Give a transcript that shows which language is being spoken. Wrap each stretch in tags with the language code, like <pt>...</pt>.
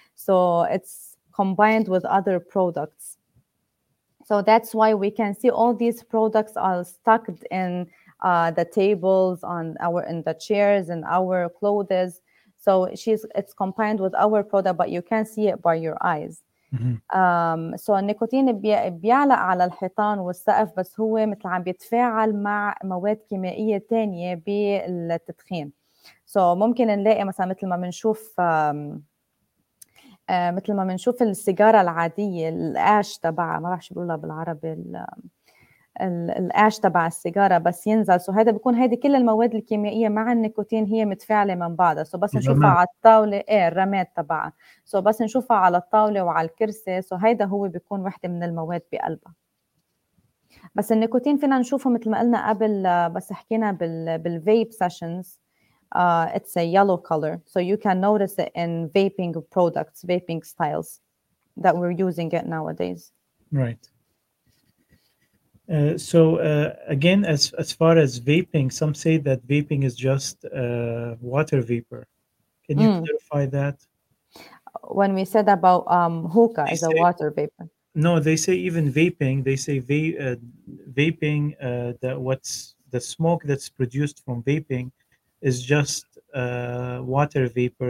<en>So it's combined with other products. So that's why we can see all these products are stuck in the tables, in the chairs, in our clothes. So it's combined with our product, but you can see it by your eyes. Mm-hmm.</en> <ar>So النيكوتين بيعلق على الحيطان والسقف بس هو مثل عم بيتفاعل مع مواد كيميائية تانية بالتدخين. So ممكن نلاقي مثلا مثل ما بنشوف مثل ما بنشوف السيجارة العادية الاش تبع ما راح بقولها بالعربي الاش تبع السيجارة بس ينزل سو هذا بيكون هيدي كل المواد الكيميائية مع النيكوتين هي متفاعلة من بعضها سو بس نشوفها على الطاولة ايه الرماد تبعها سو بس نشوفها على الطاولة وعلى الكرسي سو هيدا هو بيكون واحدة من المواد بقلبها بس النيكوتين فينا نشوفه مثل ما قلنا قبل بس حكينا بالفيب سيشنز</ar> <en>it's a yellow color so you can notice it in vaping products vaping styles that we're using it nowadays right so again as far as vaping some say that vaping is just water vapor can you clarify that when we said about hookah is a water vapor no they say even vaping they say vaping that what's the smoke that's produced from vaping is just water vapor.</en>